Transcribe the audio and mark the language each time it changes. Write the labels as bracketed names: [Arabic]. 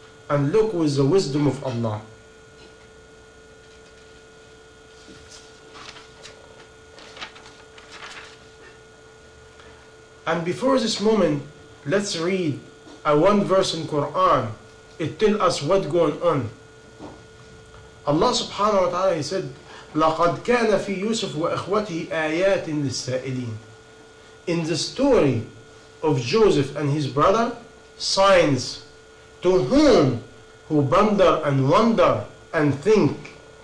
[English] And look with the wisdom of Allah. And before this moment, let's read a one verse in Quran. It tells us what's going on. [Arabic] Allah subhanahu wa ta'ala, [English] he said, [Arabic] لَقَدْ كَانَ فِي يُوسُفْ وَإِخْوَتِهِ آيَاتٍ لِلسَّائِلِينَ. [English] In the story of Joseph and his brother, signs to whom who wonder and wonder and think.